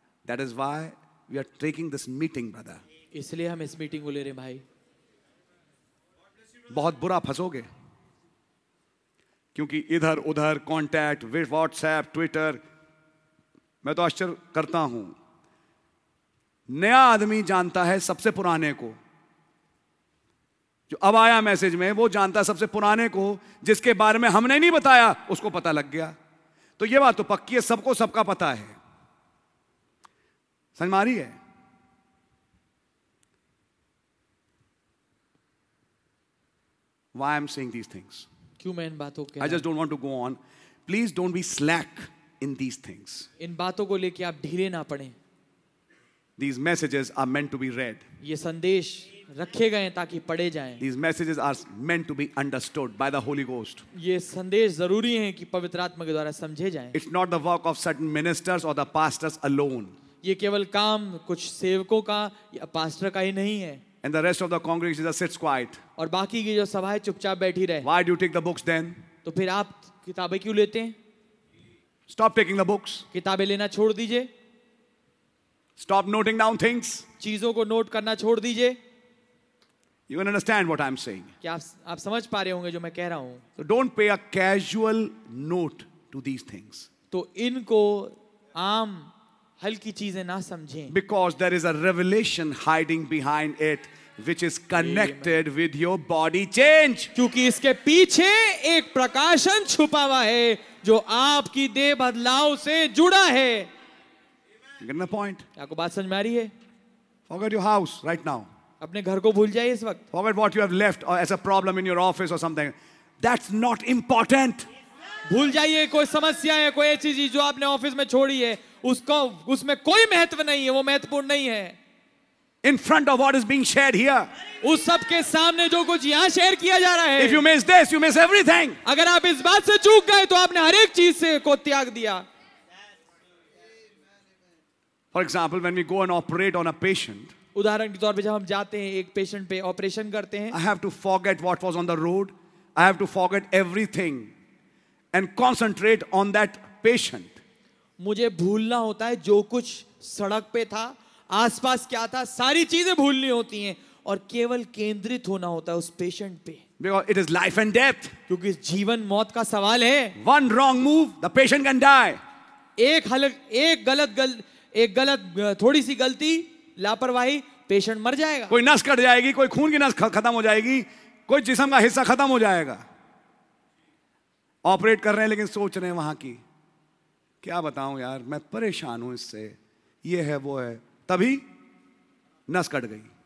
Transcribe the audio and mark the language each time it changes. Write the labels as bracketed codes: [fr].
[en] That is why we are taking this meeting, brother. [hi] इसलिए हम इस मीटिंग को ले रहे भाई. बहुत बुरा फंसोगे, क्योंकि इधर उधर कॉन्टैक्ट, व्हाट्सएप, ट्विटर. मैं तो आश्चर्य करता हूं, नया आदमी जानता है सबसे पुराने को. जो अब आया मैसेज में, वो जानता सबसे पुराने को. जिसके बारे में हमने नहीं बताया, उसको पता लग गया. तो ये बात तो पक्की है, सबको सबका पता है. समझ मारी है? [en] Why I'm saying these things? [hi] क्यों मैं इन बातों के? [en] I just don't want to go on. Please don't be slack in these things. [hi] इन बातों को लेके आप ढीले ना पड़े. [en] These messages are meant to be read. [hi] ये संदेश रखे गए हैं ताकि पढ़े जाएं. [en] These messages are meant to be understood by the Holy Ghost. [hi] ये संदेश जरूरी हैं कि पवित्र आत्मा के द्वारा समझे जाएं. [en] It's not the work of certain ministers or the pastors alone. [hi] ये केवल काम कुछ सेवकों का या पास्टर का ही नहीं है. [en] And the rest of the congregation just sits quiet. [hi] और बाकी की जो सभा है चुपचाप बैठी रहे. [en] Why do you take the books then? [hi] तो फिर आप किताबें क्यों लेते हैं? [en] Stop taking the books. [hi] किताबें लेना छोड़ दीजिए. [en] Stop noting down things. [hi] चीजों को नोट करना छोड़ दीजिए. [en] You can understand what I'm saying. [hi] क्या आप समझ पा रहे होंगे जो मैं कह रहा हूँ? [en] So don't pay a casual note to these things. [hi] तो इनको आम हल्की चीजें ना समझें. [en] Because there is a revelation hiding behind it, which is connected with your body change. [hi] क्योंकि इसके पीछे एक प्रकाशन छुपा हुआ है जो आपकी देह बदलाव से जुड़ा है. [en] Getting the point? [hi] आपको बात समझ में आ रही है? [en] Forget your house right now. [hi] अपने घर को भूल जाइए इस वक्त. [en] Forget what you have left or as a problem in your office or something. That's not important. [hi] भूल जाइए कोई समस्या है, कोई ऐसी चीज जो आपने ऑफिस में छोड़ी है, उसको उसमें कोई महत्व नहीं है, वो महत्वपूर्ण नहीं है. [en] In front of what is being shared here. [hi] उस सब के सामने जो कुछ यहाँ शेयर किया जा रहा है. [en] If you miss this, you miss everything. [hi] अगर आप इस बात से चूक गए तो आपने हर एक चीज से को त्याग दिया. [en] For example, when we go and operate on a patient. [hi] उदाहरण के तौर पे जब हम जाते हैं एक पेशेंट पे ऑपरेशन करते हैं. [en] I have to forget what was on the road. I have to forget everything and concentrate on that patient. [hi] मुझे भूलना होता है जो कुछ सड़क पे था, आसपास क्या था, सारी चीजें भूलनी होती हैं और केवल केंद्रित होना होता है उस पेशेंट पे. [en] Because it is life and death. [hi] क्योंकि जीवन मौत का सवाल है. [en] One wrong move, the patient can die. [hi] एक गलत थोड़ी सी गलती, लापरवाही, पेशेंट मर जाएगा. कोई नस कट जाएगी, कोई खून की नस खत्म हो जाएगी, कोई जिस्म का हिस्सा खत्म हो जाएगा. ऑपरेट कर रहे हैं लेकिन सोच रहे हैं वहां की क्या बताऊं यार, मैं परेशान हूं इससे, ये है वो है, तभी नस कट गई.